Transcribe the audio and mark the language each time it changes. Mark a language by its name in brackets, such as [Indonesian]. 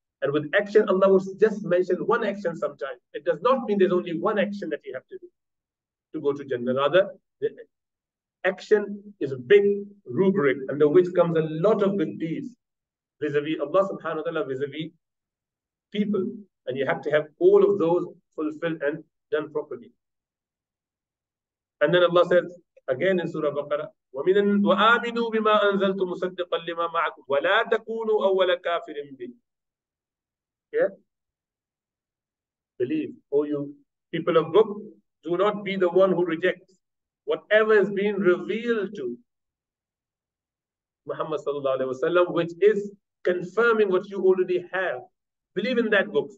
[English] And with action, Allah will just mention one action sometimes. It does not mean there's only one action that you have to do to go to Jannah. Rather, the action is a big rubric under which comes a lot of good deeds vis-a-vis Allah subhanahu wa ta'ala, vis-a-vis people. And you have to have all of those fulfilled and done properly. And then Allah says, again in Surah Baqarah, [Arabic] وَآمِنُوا بِمَا أَنزَلْتُ مُصَدِّقًا لِمَا مَعَكُمْ وَلَا تَكُونُوا أَوَّلَ كَافِرٍ بِهِ. [English] Yeah? Believe, oh you people of book, do not be the one who rejects whatever has been revealed to Muhammad sallallahu alayhi wa sallam, which is confirming what you already have. Believe in that book.